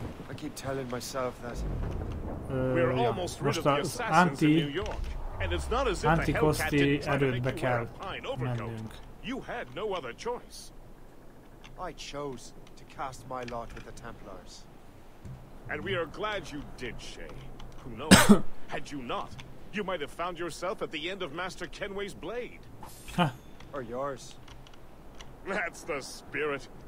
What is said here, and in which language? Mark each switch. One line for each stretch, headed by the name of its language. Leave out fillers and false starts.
English: I keep telling myself that.
Hungarian: Most az anti... Anti-Kosti erődbe kell mennünk.
English: You had no other choice. I chose to cast my lot with the Templars. And we are glad you did, Shay. Who knows? Had you not, you might have found yourself at the end of Master Kenway's blade. Or yours. That's the spirit.